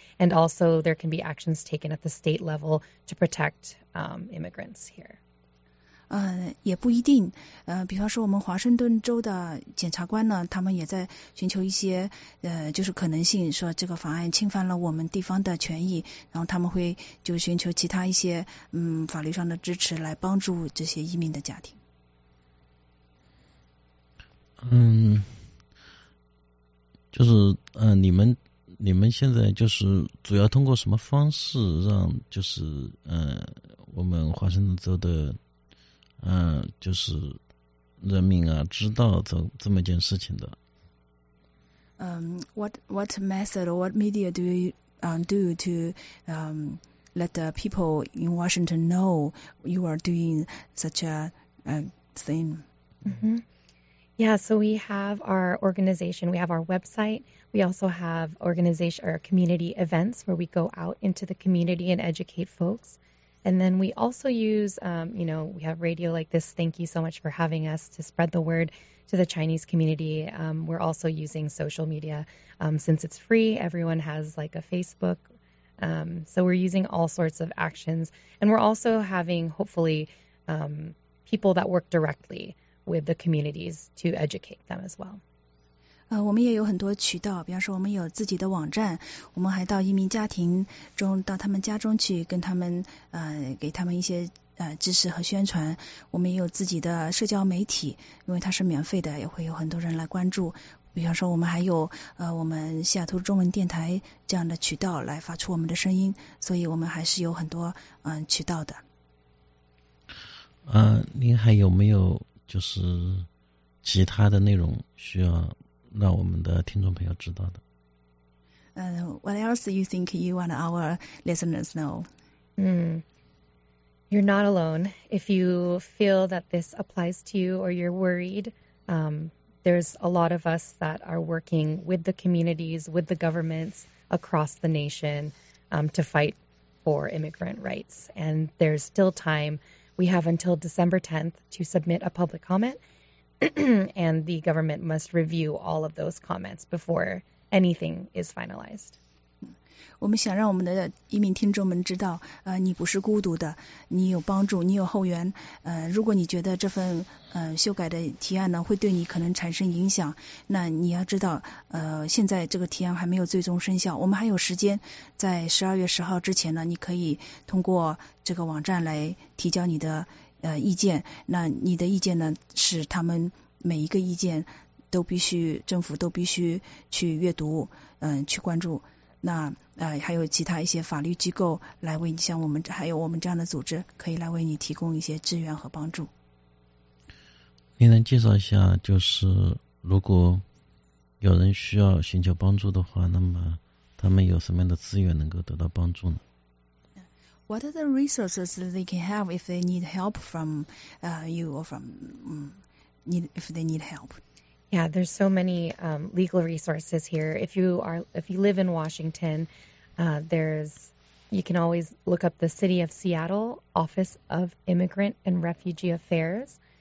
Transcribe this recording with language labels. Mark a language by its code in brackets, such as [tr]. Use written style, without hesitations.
[en] And also there can be actions taken at the state level to protect immigrants here. [zh] 也不一定。比方说我们华盛顿州的检察官呢，他们也在寻求一些就是可能性，说这个法案侵犯了我们地方的权益，然后他们会就寻求其他一些法律上的支持来帮助这些移民的家庭。就是你们现在就是主要通过什么方式让就是我们华盛顿州的就是人民啊知道这么件事情的。 [en] What method or what media do you do to let the people in Washington know you are doing such a thing? Yeah, so we have our organization, we have our website, we also have organization or community events where we go out into the community and educate folks. And then we also use, we have radio like this. Thank you so much for having us to spread the word to the Chinese community. We're also using social media. Since it's free, everyone has like a Facebook. So we're using all sorts of actions. And we're also having, hopefully, people that work directly with the communities to educate them as well. [zh] 我们也有很多渠道，比方说我们有自己的网站，我们还到移民家庭中，到他们家中去跟他们给他们一些知识和宣传。我们也有自己的社交媒体，因为它是免费的，也会有很多人来关注。比方说我们还有我们西雅图中文电台这样的渠道来发出我们的声音，所以我们还是有很多渠道的。您还有没有就是其他的内容需要让我们的听众朋友知道的？ [en] What else do you think you want our listeners know? You're not alone. If you feel that this applies to you or you're worried, there's a lot of us that are working with the communities, with the governments across the nation to fight for immigrant rights. And there's still time. We have until December 10th to submit a public comment. And the government must review all of those comments before anything is finalized. [zh] 我们想让我们的移民听众们知道，你不是孤独的，你有帮助，你有后援。如果你觉得这份修改的提案呢会对你可能产生影响，那你要知道，现在这个提案还没有最终生效，我们还有时间，在12月10号之前呢，你可以通过这个网站来提交你的意见。那你的意见呢是他们每一个意见都必须，政府都必须去阅读，去关注。那还有其他一些法律机构来为你，像我们还有我们这样的组织可以来为你提供一些支援和帮助。你能介绍一下就是如果有人需要寻求帮助的话，那么他们有什么样的资源能够得到帮助呢？ [en] What are the resources that they can have if they need help from you or from if they need help? Yeah, there's so many legal resources here. If you live in Washington, you can always look up the City of Seattle Office of Immigrant and Refugee Affairs.